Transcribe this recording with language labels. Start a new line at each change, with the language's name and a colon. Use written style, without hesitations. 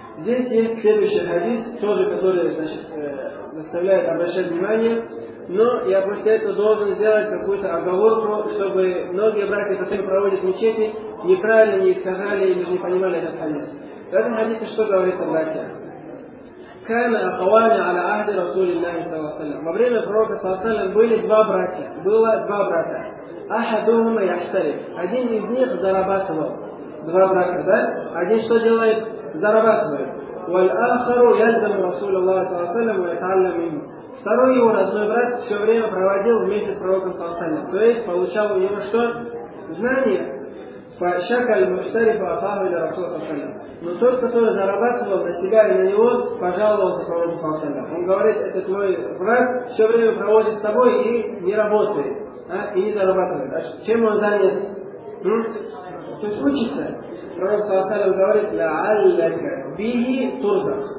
Russian: Здесь есть следующий хадис, тоже, который, значит, заставляет обращать внимание. Но я после этого должен сделать какую-то оговорку, чтобы многие братья, которые проводят мечети, неправильно не искажали или не понимали этот хадис. В этом хадисе что говорит о братьях?
Arabic: كان أخوان على عهد رسول الله صلى الله عليه وسلم.
Russian: Во время пророка саллаллаху алейхи ва саллям было два брата.
Arabic: أحدهما يشتري.
Russian: Один из них зарабатывал. Два брата, да? Один что делает? Зарабатывает.
Arabic: والآخر يلزم رسول الله صلى الله عليه وسلم ويتعلم منه.
Russian: Второй его родной брат все время проводил вместе с пророком саллаллаху алейхи ва саллям. То есть получал у него что? Знания.
Arabic: فشكى المشتري فأخاه إلى رسول الله صلى الله عليه وسلم.
Russian: Но тот, который зарабатывал на себя и на него, пожаловался пророку саллаллаху алейхи ва саллям. Он говорит, этот мой брат все время проводит с тобой и не работает, и не зарабатывает. А чем он занят? То есть учится. Пророк саллаллаху алейхи ва саллям говорит,
Arabic: «Ля'аллака бихи турда».